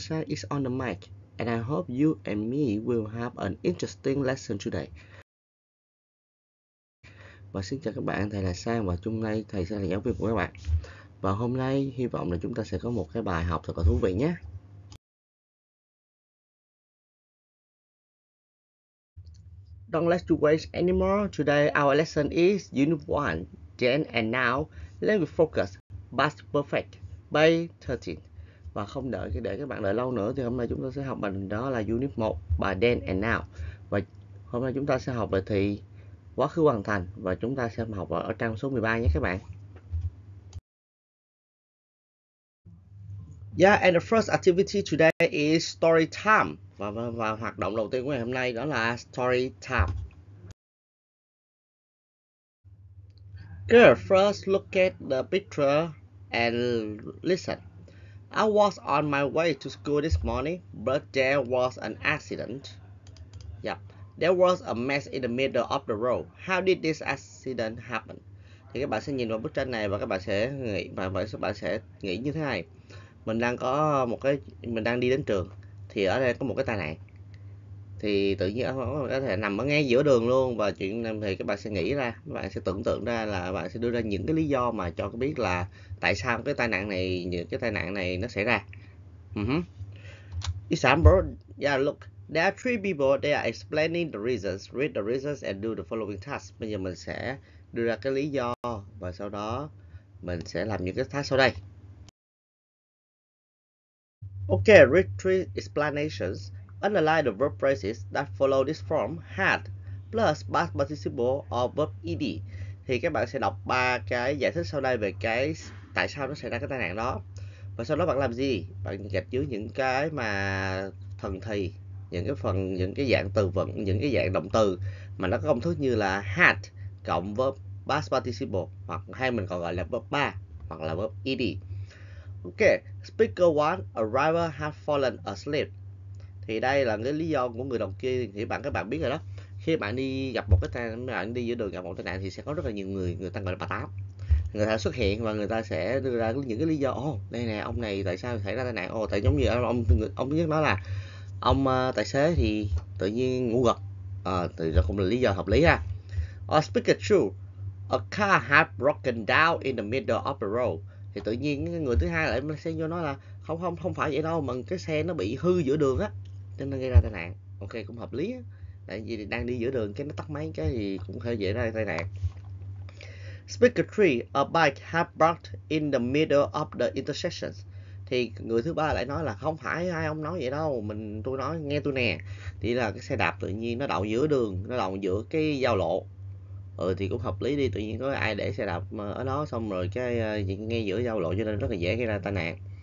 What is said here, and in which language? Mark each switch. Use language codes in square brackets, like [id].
[en] Shan is on the mic, and I hope you and me will have an interesting lesson today. [vi] Và xin chào các bạn, thầy là Sang và chung nay thầy sẽ là giáo viên của các bạn. Và hôm nay hy vọng là chúng ta sẽ có một cái bài học thật là thú vị nhé. [en] Don't let you waste anymore. Today our lesson is Unit 1, Then and Now, Language Focus, Past Perfect, by 13. [vi] Và không đợi để các bạn đợi lâu nữa thì hôm nay chúng ta sẽ học bài đó là Unit 1, bài Then and Now. Và hôm nay chúng ta sẽ học về thì quá khứ hoàn thành và chúng ta sẽ học ở trang số 13 nhé các bạn. [en] Yeah, and the first activity today is story time. [vi] Và hoạt động đầu tiên của ngày hôm nay đó là story time. [en] Girl, first look at the picture and listen. I was on my way to school this morning, but there was an accident. Yep. There was a mess in the middle of the road. How did this accident happen? [vi] Thì các bạn sẽ nhìn vào bức tranh này và các bạn sẽ nghĩ như thế này. Mình đang đi đến trường thì ở đây có một cái tai nạn. Thì tự nhiên nó có thể nằm ở ngay giữa đường luôn và chuyện này thì các bạn sẽ nghĩ ra, các bạn sẽ tưởng tượng ra là bạn sẽ đưa ra những cái lý do mà cho các biết là tại sao cái tai nạn này, những cái tai nạn này nó xảy ra. [en] Example, yeah, look, there are three people, they are explaining the reasons, read the reasons and do the following task. [vi] Bây giờ mình sẽ đưa ra cái lý do và sau đó mình sẽ làm những cái task sau đây. [en] Okay, read three explanations. Analyze the verb phrases that follow this form, had, plus past participle or verb ed. [vi] Thì các bạn sẽ đọc ba cái giải thích sau đây về cái tại sao nó xảy ra cái tai nạn đó. Và sau đó bạn làm gì? Bạn gạch dưới những cái mà thần thì, những cái phần, những cái dạng từ vựng, những cái dạng động từ mà nó có công thức như là had cộng verb past participle, hoặc hay mình còn gọi là verb ba, hoặc là verb ed. [en] Okay, speaker 1, arriver had fallen asleep. [vi] Thì đây là cái lý do của người đồng kia, thì các bạn biết rồi đó. Khi bạn đi gặp một cái tai nạn, bạn đi giữa đường gặp một tai nạn thì sẽ có rất là nhiều người, người ta gọi là bà tám. Người ta xuất hiện và người ta sẽ đưa ra những cái lý do. Ồ, đây nè, ông này tại sao xảy ra tai nạn? Ồ, tại giống như ông nhất nói là ông tài xế thì tự nhiên ngủ gật. Thì đó cũng là lý do hợp lý ha. [en] Speaker 2, a car had broken down in the middle of the road. [vi] Thì tự nhiên cái người thứ hai lại xem vô nói là không phải vậy đâu, mà cái xe nó bị hư giữa đường á, cho nên gây ra tai nạn. Ok, cũng hợp lý á. Tại vì đang đi giữa đường cái nó tắt máy cái thì cũng hơi dễ ra tai nạn. [en] Speaker 3, a bike had parked in the middle of the intersection. [vi] Thì người thứ ba lại nói là không phải ai ông nói vậy đâu, nghe tôi nè. Thì là cái xe đạp tự nhiên nó đậu giữa đường, nó đậu giữa cái giao lộ. Ừ thì cũng hợp lý đi, tự nhiên có ai để xe đạp ở đó xong rồi cái ngay giữa giao lộ cho nên rất là dễ gây ra tai nạn.